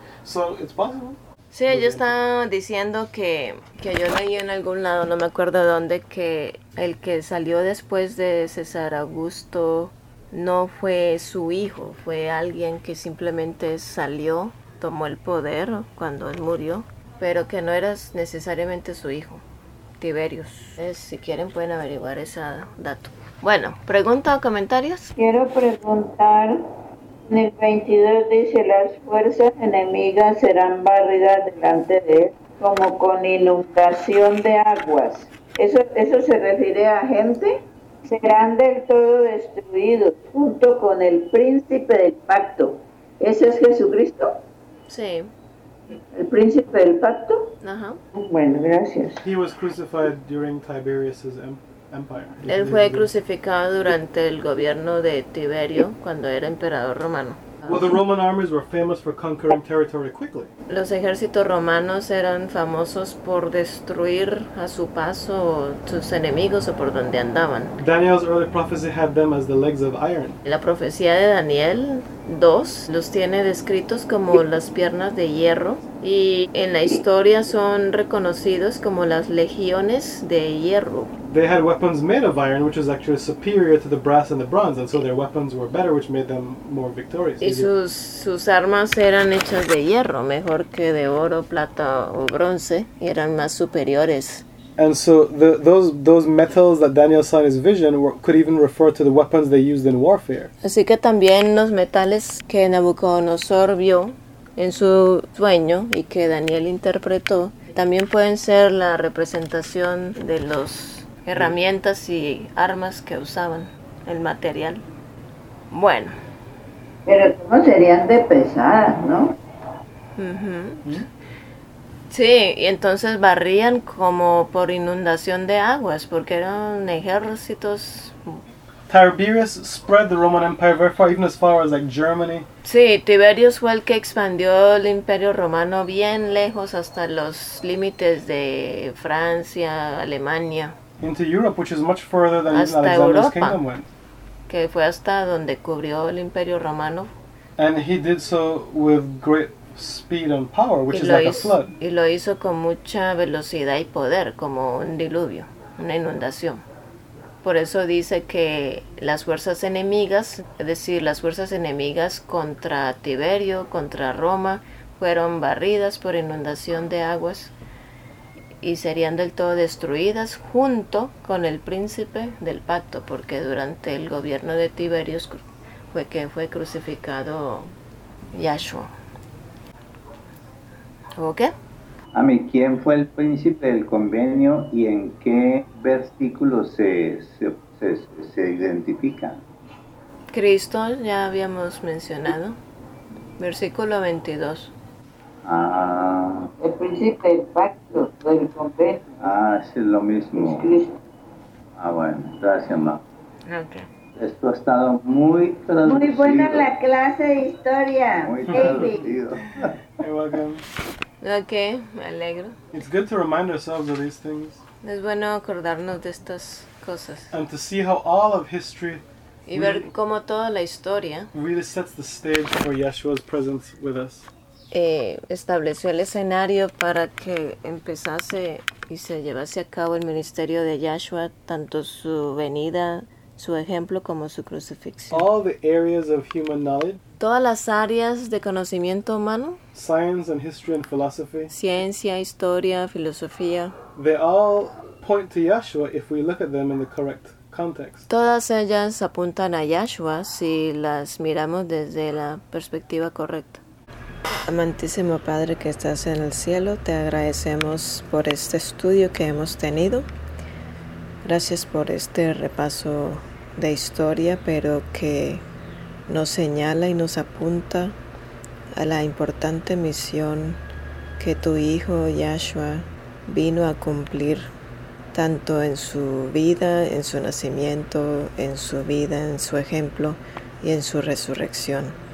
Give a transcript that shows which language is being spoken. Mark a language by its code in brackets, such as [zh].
[en] So it's possible. [es] Sí, yo estaba diciendo que yo leí en algún lado, no me acuerdo dónde, que el que salió después de César Augusto no fue su hijo, fue alguien que simplemente salió, tomó el poder cuando él murió, pero que no era necesariamente su hijo, Tiberius. Si quieren pueden averiguar ese dato. Bueno, ¿pregunta o comentarios? Quiero preguntar. En el 22 dice, las fuerzas enemigas serán barridas delante de él, como con inundación de aguas. ¿Eso se refiere a gente? Serán del todo destruidos, junto con el príncipe del pacto. ¿Ese es Jesucristo? Sí. ¿El príncipe del pacto? Ajá. Bueno, gracias. [en] He was crucified during Tiberius's Empire. [es] Él fue crucificado durante el gobierno de Tiberio cuando era emperador romano. [en] Well, the Roman armies were famous for conquering territory quickly. [es] Los ejércitos romanos eran famosos por destruir a su paso sus enemigos o por donde andaban. [en] Daniel's early prophecy had them as the legs of iron. [es] La profecía de Daniel 2 los tiene descritos como las piernas de hierro y en la historia son reconocidos como las legiones de hierro. [en] They had weapons made of iron, which was actually superior to the brass and the bronze, and so their weapons were better, which made them more victorious. [es] Y sus armas eran hechas de hierro, mejor que de oro, plata o bronce, y eran más superiores. [en] And so those metals that Daniel saw in his vision could even refer to the weapons they used in warfare. [es] Así que también los metales que Nabucodonosor vio en su sueño y que Daniel interpretó también pueden ser la representación de los herramientas y armas que usaban, el material. Bueno. Pero cómo serían de pesadas, ¿no? Sí, y entonces barrían como por inundación de aguas, porque eran ejércitos. [en] Tiberius spread the Roman Empire very far, even as far as like Germany. [es] Sí, Tiberius fue el que expandió el Imperio Romano bien lejos hasta los límites de Francia, Alemania. [en] Into Europe, which is much further than [es] hasta [en] Alexander's [es] Europa, [en] kingdom went. [es] Que fue hasta donde cubrió el Imperio Romano. [en] And he did so with great speed and power, which is like a flood. [es] Y lo hizo con mucha velocidad y poder, como un diluvio, una inundación. Por eso dice que las fuerzas enemigas, es decir, las fuerzas enemigas contra Tiberio, contra Roma, fueron barridas por inundación de aguas. Y serían del todo destruidas junto con el príncipe del pacto, porque durante el gobierno de Tiberius fue que fue crucificado Yahshua. ¿Ok? A mí, ¿quién fue el príncipe del convenio y en qué versículo se identifica? Cristo, ya habíamos mencionado, versículo 22. Ah, el príncipe del pacto, del convenio. Ah, sí, es lo mismo. Es Cristo. Ah, bueno, gracias, ma. Okay. Esto ha estado muy traducido. Muy buena la clase de historia. Muy traducido. [en] You're welcome. [es] Okay, me alegro. [en] It's good to remind ourselves of these things. [es] Es bueno acordarnos de estas cosas. [en] And to see how all of history [es] y ver cómo toda la historia [en] really sets the stage for Yeshua's presence with us. [es] Estableció el escenario para que empezase y se llevase a cabo el ministerio de Yeshua, tanto su venida, su ejemplo, como su crucifixión. [en] All the areas of human knowledge, [es] todas las áreas de conocimiento humano, [en] science and history and philosophy, [es] ciencia, historia, filosofía, [en] they all point to Yeshua if we look at them in the correct context. [es] Todas ellas apuntan a Yeshua si las miramos desde la perspectiva correcta. Amantísimo Padre que estás en el cielo, te agradecemos por este estudio que hemos tenido. Gracias por este repaso de historia, pero que nos señala y nos apunta a la importante misión que tu Hijo Yeshua vino a cumplir, tanto en su vida, en su nacimiento, en su vida, en su ejemplo y en su resurrección,